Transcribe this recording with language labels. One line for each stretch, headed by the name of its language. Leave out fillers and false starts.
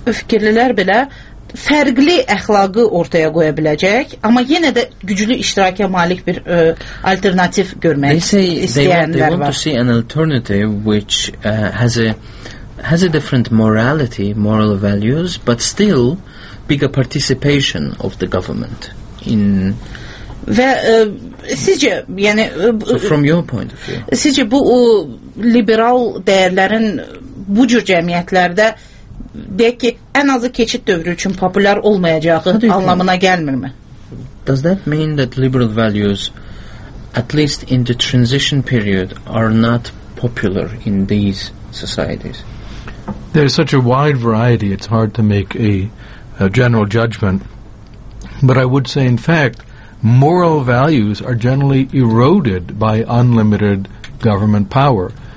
Azerbaijani: fikirlilər belə fərqli əxlaqı ortaya qoya biləcək, amma yenə də güclü iştiraka malik bir alternativ görmək istəyənlər var.
English: They want to see an alternative which has a different morality, moral values, but still bigger participation of the government in.
Azerbaijani: Və sizcə, yəni
English: so from your point of view,
Azerbaijani: sizcə bu liberal dəyərlərin bu cür cəmiyyətlərdə deyək ki, ən azı keçid dövrü üçün populyar olmayacağı anlamına gəlmirmi?
English: Does that mean that liberal values, at least in the transition period, are not popular in these societies? There is such a wide variety, it's hard to make a general judgment. But I would say, in fact, moral values are generally eroded by unlimited government power.